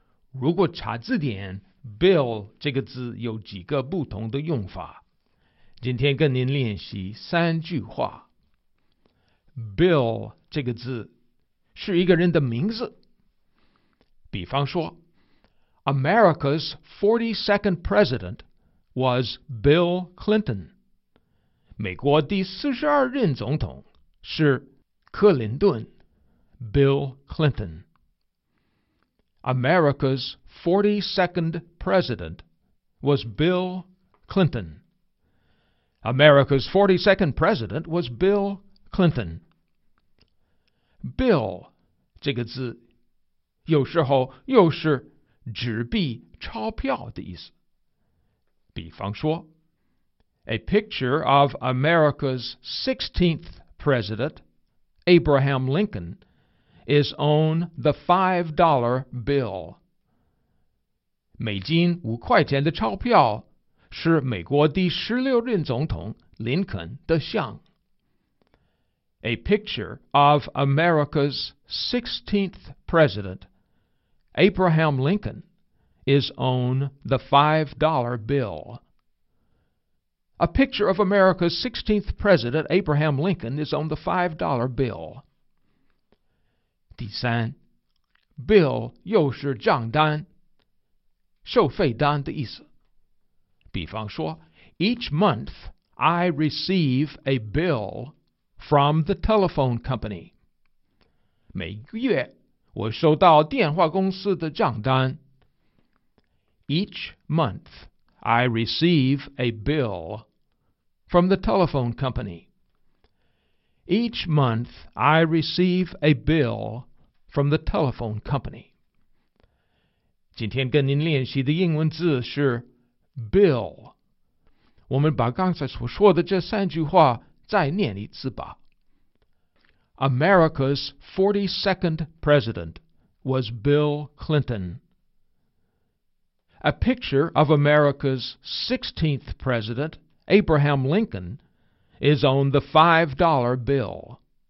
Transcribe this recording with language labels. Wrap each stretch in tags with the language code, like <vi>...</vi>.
<zh>如果查字典，bill 这个字有几个不同的用法。今天跟您练习三句话。bill 这个字是一个人的名字，比方说。</zh> <en>America's 42nd president was Bill Clinton.</en> <zh>美国第四十二任总统是克林顿 ，Bill Clinton.</zh> <en>America's 42nd president was Bill Clinton. America's 42nd president was Bill Clinton.</en> <zh>Bill 这个字有时候又是。纸币、钞票的意思。比方说</zh> <en>，A picture of America's 16th president, Abraham Lincoln, is on the $5 bill.</en> <zh>美金五块钱的钞票是美国第十六任总统林肯的像。</zh> <en>A picture of America's 16th president. Abraham Lincoln is on the $5 bill. A picture of America's 16th president, Abraham Lincoln, is on the $5 bill.</en> <zh>第三 ，bill 又是账单、收费单的意思。比方说</zh> <en>，Each month I receive a bill from the telephone company.</en> <zh>每个月。我收到电话公司的账单。</zh> <en>Each month, I receive a bill from the telephone company. Each month, I receive a bill from the telephone company.</en> <zh>今天跟您练习的英文字是 bill。我们把刚才所说的这三句话再念一次吧。</zh> <en>America's 42nd president was Bill Clinton. A picture of America's 16th president, Abraham Lincoln, is on the $5 bill.</en>